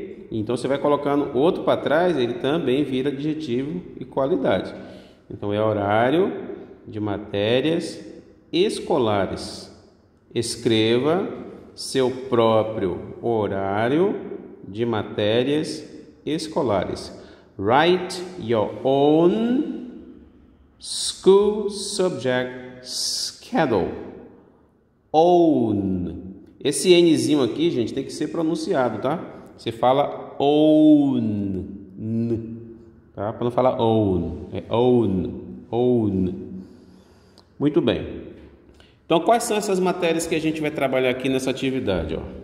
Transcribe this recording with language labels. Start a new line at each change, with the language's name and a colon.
Portuguese: Então, você vai colocando outro para trás, ele também vira adjetivo e qualidade. Então, é horário de matérias escolares. Escreva seu próprio horário de matérias escolares.
English: Write your own school subject schedule. Own.
Portuguese: Esse Nzinho aqui, gente, tem que ser pronunciado, tá? Você fala own, n, tá? Para não falar own, é own, own. Muito bem. Então, quais são essas matérias que a gente vai trabalhar aqui nessa atividade, ó?